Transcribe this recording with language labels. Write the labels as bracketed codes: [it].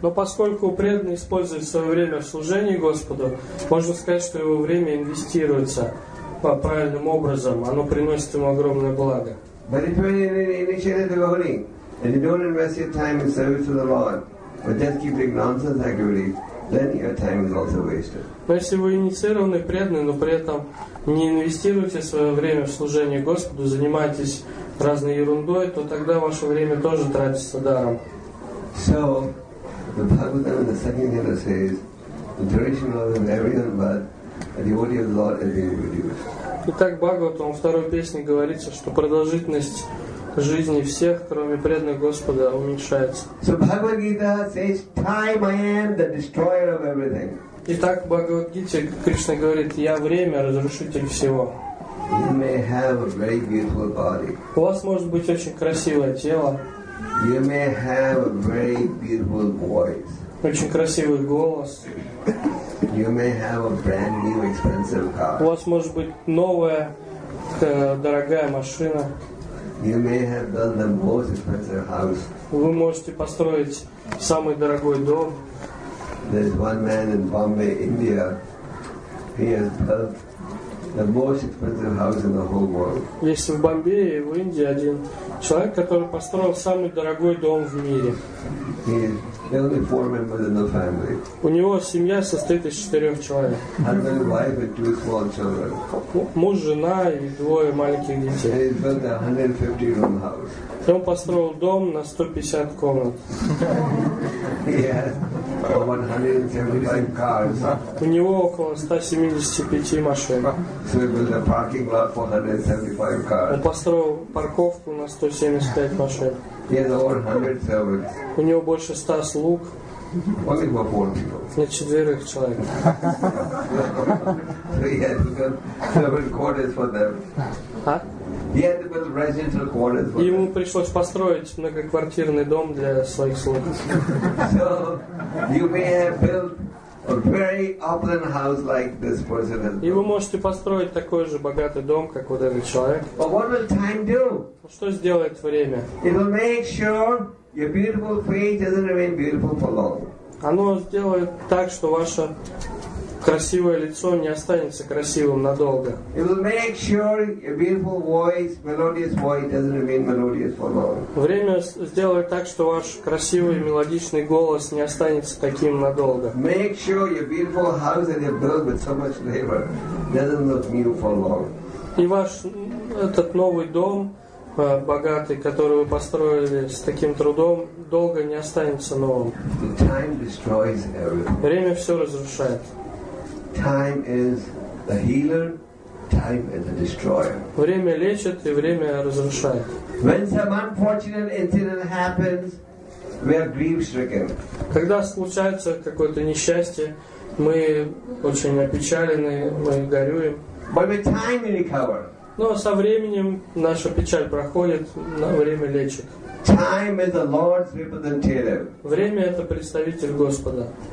[ru] Но поскольку преданный использует свое время в служении Господу, можно сказать, что его время инвестируется по правильным образом, оно приносит ему огромное благо. [en] But if you're an initiated devotee and you don't invest your time in service to the Lord, but just keep doing nonsense activities, then your time is also wasted. [ru] Если вы инициированный преданный, но при этом не инвестируете свое время в служение Господу, занимаетесь разной ерундой, то тогда ваше время тоже тратится даром. [en] So the Bhagavatam in the second Gita says, the duration of everything but the devotee of the Lord has been reduced. [ru] Итак, Бхагаватам во второй песне говорится, что продолжительность жизни всех, кроме преданных Господа, уменьшается. [en] So Bhagavad-gita says, "Time, I am the destroyer of everything." [ru] Итак, Бхагавад-гите Кришна говорит, я время, разрушитель всего. [en] You may have a very beautiful body. [ru] У вас может быть очень красивое тело. [en] You may have a very beautiful voice. [ru] Очень красивый голос. [en] You may have a brand new expensive car. [ru] У вас может быть новая дорогая машина. [en] You may have built the most expensive house. [ru] Вы можете построить самый дорогой дом. [en] There's one man in Bombay, India. He has built the most expensive house in the whole world. [ru] Есть в Бомбее, в Индии один человек, который построил самый дорогой дом в мире. [en] He is only 4 members in the family. [ru] У него семья состоит из 4 человек. [en] Husband, wife and 2 small children. [ru] Муж, жена и 2 маленьких детей. [en] He built a 150-room house. [ru] Он построил дом на 150 комнат. [en] Yeah, over 175 cars. [ru] У него около 175 машин. [en] So he built a parking lot for 175 cars. [ru] Он построил парковку на 175 машин. [en] He has over 100 servants. [ru] У него больше 100 слуг. [en] Only for four people. [ru] На четверых человек. [en] So he had to build several quarters for them. Huh? He had to build residential quarters for [ru] Ему пришлось построить многоквартирный дом для своих слуг. [en] So you may have built a very opulent house like this person has. [ru] И вы можете построить такой же богатый дом, как вот этот человек. [en] But what will time do? [ru] Что сделает время? [en] It will make sure your beautiful face doesn't remain beautiful for long. [ru] Оно сделает так, что ваше красивое лицо не останется красивым надолго. [en] It will make sure your beautiful voice, melodious voice, doesn't remain melodious for long. [ru] Время сделает так, что ваш красивый мелодичный голос не останется таким надолго. [en] Make sure your beautiful house that you built with so much labor doesn't look new for long. [ru] И ваш этот новый дом, богатый, который вы построили с таким трудом, долго не останется новым. [en] Time destroys everything. [ru] Время все разрушает. [en] Time is the healer, time is the destroyer. [ru] Время лечит и время разрушает. [en] When some unfortunate incident happens, we are grief-stricken. [ru] Когда случается какое-то несчастье, мы очень опечалены, мы горюем. [en] But with time we recover. [ru] Но со временем наша печаль проходит, время лечит. [en] Time is the Lord's representative. [ru] Время — это представитель Господа.